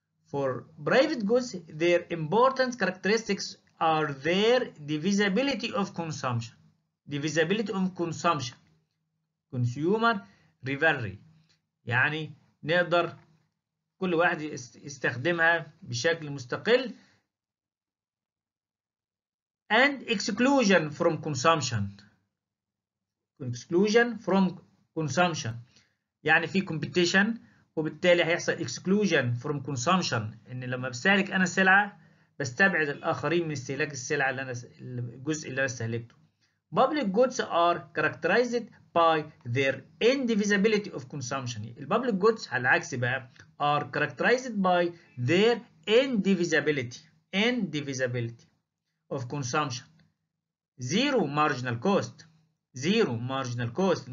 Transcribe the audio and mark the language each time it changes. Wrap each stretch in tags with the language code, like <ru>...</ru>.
<en>For private goods, their important characteristics are their divisibility of consumption. Divisibility of consumption. Consumer rivalry.</en> <ar>يعني نقدر كل واحد يستخدمها بشكل مستقل.</ar> <en>And exclusion from consumption. Exclusion from consumption.</en> <ar>يعني في competition وبالتالي هيحصل</ar> <en>exclusion from consumption.</en> <ar>ان لما بستهلك انا سلعة بستبعد الاخرين من استهلاك السلعة اللي انا الجزء اللي انا استهلكته.</ar> <en>Public goods are characterized by their indivisibility of consumption. Public goods</en> <ar>على العكس بقى</ar> <en>are characterized by their indivisibility of consumption. Zero marginal cost. Zero marginal cost.</en>